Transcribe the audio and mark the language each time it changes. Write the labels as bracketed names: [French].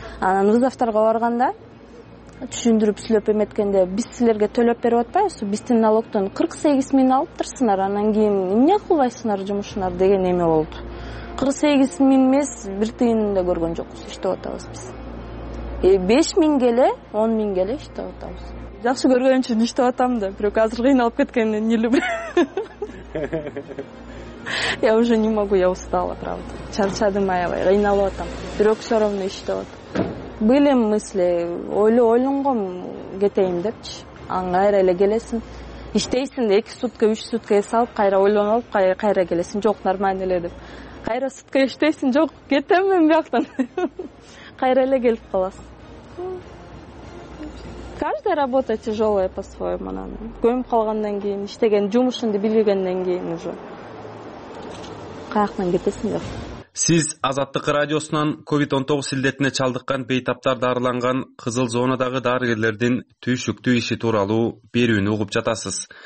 [Kyrgyz] Анан вызовторго барганда түшүндүрүп сүйлөп эметкенде биз силерге төлөп берип атпайбызбы, биздин налогтон 48 000 алыптырсыңар, анан кийин эмне кылбайсыңар жумушуңар деген эме болду. 48 000 эмес, бир тыйынын да көргөн жокпуз, иштеп атабыз биз. 5 000 эле, 10 000 эле иштеп атабыз. Жакшы көргөн үчүн иштеп атам да, бирок азыр кыйналып кеткенден [Russian] не люблю. Я уже не могу, я устала, правда. [Kyrgyz] Чарчадым аябай, кыйналып атам. Бирок [Russian] все равно [Kyrgyz] иштеп атам. [Russian] Были мысли, [Kyrgyz] ойлонгом кетейин депчи. Анан кайра эле келесиң. Иштейсиң, 2-3 сутка эс алып, кайра ойлонуп, кайра келесиң. Жок, нормально эле деп. Кайра сутка иштейсиң, жок, кетем мен бияктан. Кайра эле келип каласың. [Russian] Каждая работа тяжелая по-своему. [Kyrgyz] Көнүп калгандан кийин, иштеген жумушуңду билгенден кийин уже. Каяктан кетесиң деп. Сиз Азаттык радиосунан COVID-19 илдетине чалдыккан бейтаптар дарыланган кызыл зонадагы дарыгерлердин түйшүктүү иши тууралуу берүүнү угуп жатасыз.